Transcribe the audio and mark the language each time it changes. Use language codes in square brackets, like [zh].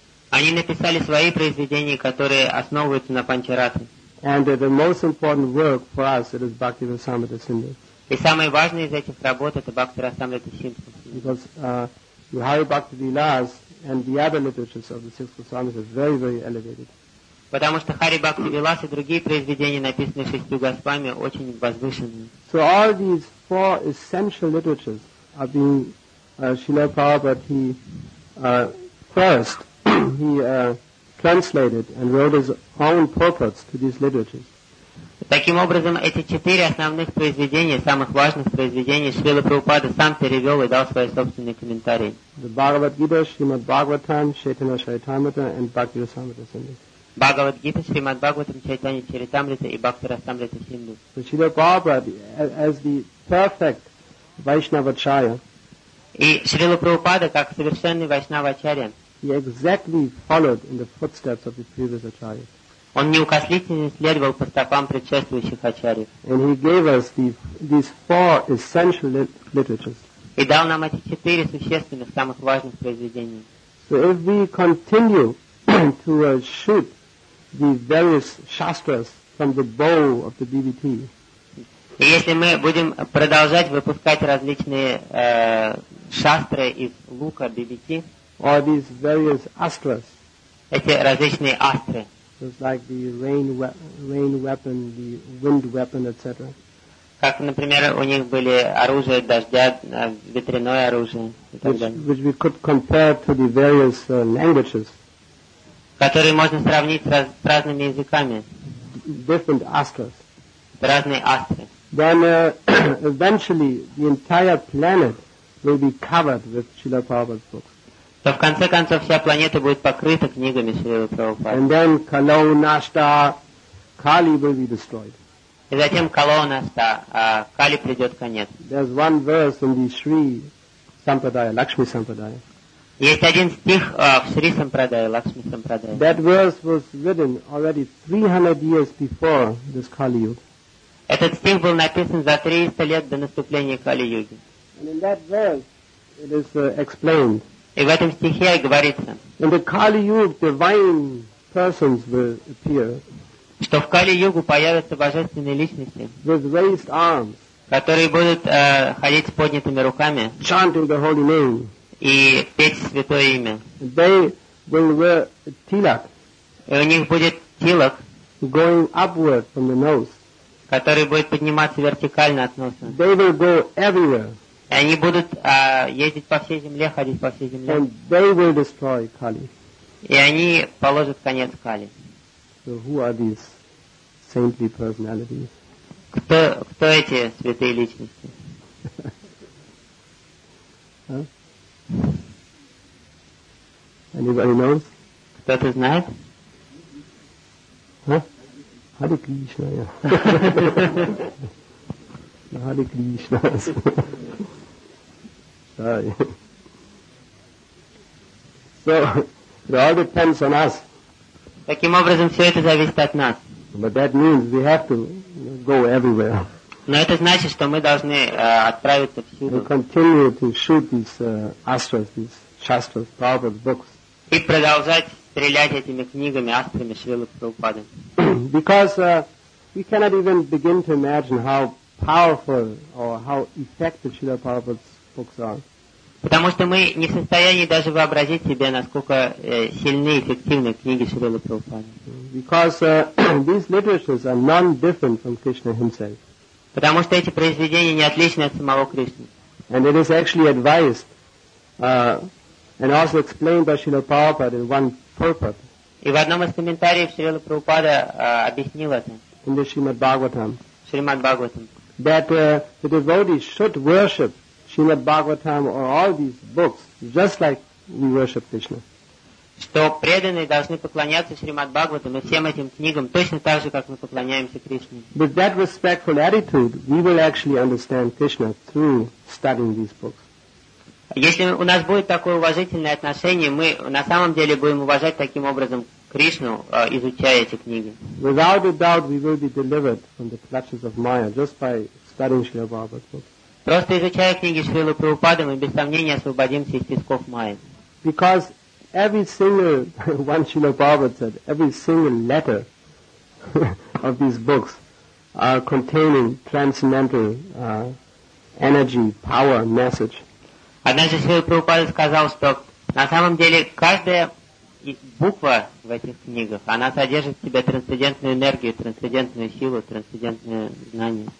[ru] Они написали свои произведения, которые основываются на Панчаратре. [en] And the most important work for us, it is Bhakti Rasamrita Sindhu. [ru] И самое важное из этих работ это Бхакти Расамрита Синдху. [en] Because the Hari Bhakti Vilas and the other literatures of the six Goswamis are very, very elevated. [ru] Потому что Хари Бхакти Вилас и другие произведения, написанные шестью Госвами, очень возвышенные. [en] So all these four essential literatures are being Srila Prabhupada, he translated and wrote his own purports to these literatures. [ru] Таким образом, эти четыре основных произведения, самых важных произведений, Шрила Прабхупада сам перевел и дал свои собственные комментарии. [en] The Bhagavad Gita, Srimad Bhagavatam, Chaitanya Charitamrita, and Bhakti Rasamrita Sindhu. Bhagavad Gita, Srimad Bhagavatam, Chaitanya Charitamrita, and Bhakti Rasamrita Sindhu. So Srila Prabhupada, as the perfect Vaishnavacharya, [ru] и Шрила Прабхупада, как совершенный Вайшнавачарья, [en] he exactly followed in the footsteps of the previous Acharya. [ru] Он неукоснительно следовал по стопам предшествующих ачарьев. [en] And he gave us these four essential literatures. [ru] И дал нам эти четыре существенных, самых важных произведения. [en] So if we continue to shoot the various shastras from the bow of the DVT, [ru] и если мы будем продолжать выпускать различные шастры из лука DVT, [en] or these various astras, [ru] эти различные астры, [en] just like the rain weapon, the wind weapon, etc. [ru] Как, например, у них были оружие дождя, ветряное оружие. [en] Which we could compare to the various languages. [ru] Которые можно сравнить с разными языками. [en] Different astras. [ru] Разные астры. [en] Then eventually the entire planet will be covered with Srila Prabhupada's books. [ru] то в конце концов вся планета будет покрыта книгами Шрилы Прабхупады. [en] And then Kalonashta Kali will be destroyed. [ru] И затем Kalonashta Kali придет конец. [en] There's one verse in the Shri Sampradaya, Lakshmi Sampradaya. [ru] Есть один стих в Шри Сампрадае, Лакшми Сампрадае. [en] That verse was written already 300 years before this Kali Yuga. [ru] Этот стих был написан за 300 лет до наступления Кали-Юги. [en] And in that verse, it is explained. [ru] И в этом стихе говорится. [en] In the Kali Yuga, divine persons will appear. [ru] Что в Кали-Югу появятся божественные личности. [en] With raised arms. [ru] Которые будут ходить с поднятыми руками. [en] Chanting the holy name. [ru] И петь святое имя. [en] They will wear tilak. [ru] И у них будет тилак. [en] Going upward from the nose. [ru] Который будет подниматься вертикально от носа. [en] They will go everywhere. [ru] И они будут ездить по всей земле, ходить по всей земле. [en] And they will destroy Kali. [ru] И они положат конец Кали. [en] So who are these saintly personalities? [ru] Кто эти святые личности? [en] Anybody knows? [ru] Кто-то знает? [en] Hare Krishna, yeah. Hare Krishna. Sorry. So, it all depends on us. [ru] Таким образом, все это зависит от нас. [en] But that means we have to go everywhere. [ru] Но это значит, что мы должны отправиться всюду. [en] We continue to shoot these astras, these shastras, Prabhupada's books. [ru] И продолжать стрелять этими книгами, астрами Шрилы Прабхупады. [en] Because we cannot even begin to imagine how powerful or how effective Srila Prabhupada's books are. [ru] Потому что мы не в состоянии даже вообразить себе, насколько сильны и эффективны книги Шрилы Прабхупады. [en] Because these literatures are none different from Krishna himself. [ru] Потому что эти произведения не отличны от самого Кришны. [en] And it is actually advised and also explained by Srila Prabhupada in one purport. [ru] И в одном из комментариев Шрила Прабхупада объяснил это. [en] In the Srimad Bhagavatam. Srimad Bhagavatam. That the devotees should worship Srimad Bhagavatam or all these books just like we worship Krishna. [ru] Что преданные должны поклоняться Шримад Бхагаватам и всем этим книгам точно так же, как мы поклоняемся Кришне. [en] With that respectful attitude, we will actually understand Krishna through studying these books. [ru] Если у нас будет такое уважительное отношение, мы на самом деле будем уважать таким образом Кришну, изучая эти книги. [en] Without a doubt, we will be delivered from the clutches of Maya just by studying Shrila Prabhupada's books. [ru] Просто изучая книги Шрилы Прабхупады, мы без сомнения освободимся из тисков Майи. [en] Because every single one Srila Prabhupada said, every single letter of these books are containing transcendental energy, power, message. [ru] Однажды Шрила Прабхупада сказал, что на самом деле каждая буква в этих книгах, она содержит в себе трансцендентную энергию, трансцендентную силу, трансцендентное знание.